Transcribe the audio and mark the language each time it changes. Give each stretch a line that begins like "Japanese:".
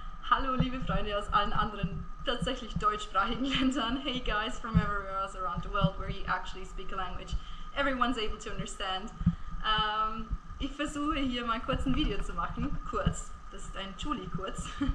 German: Hallo, liebe Freunde aus allen anderen tatsächlich deutschsprachigen Ländern.
English: Hey guys from everywhere else around the world where you actually speak a language everyone's able to understand.
German: Ich versuche hier mal kurz ein Video zu machen. Kurz, das ist ein Julie-Kurz.